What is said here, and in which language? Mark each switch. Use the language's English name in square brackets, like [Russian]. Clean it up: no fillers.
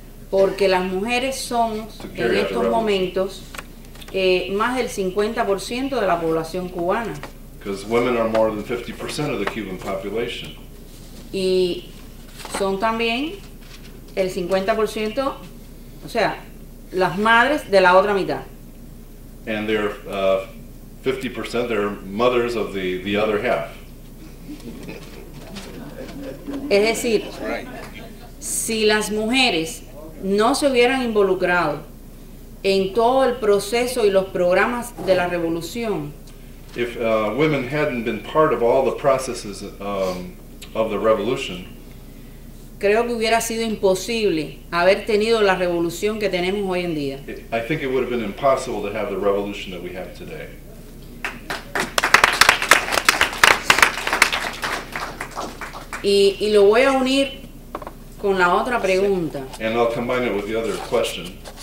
[Spanish] Porque las mujeres son en estos momentos más del 50% de la población cubana. [English] Because women are more than 50% of the Cuban population. [Spanish] Y son también el 50%, o sea, las madres de la otra mitad. [English] And they're 50%, they're mothers of the other half. [Spanish] Es decir, si las mujeres no se hubieran involucrado en todo el proceso y los programas de la revolución. [English] If women hadn't been part of all the processes of the revolution. [Spanish] Creo que hubiera sido imposible haber tenido la revolución que tenemos hoy en día. [English] I think it would have been impossible to have the revolution that we have today. [Spanish] Y lo voy a unir con la otra pregunta. [English] And I'll combine it with the other question.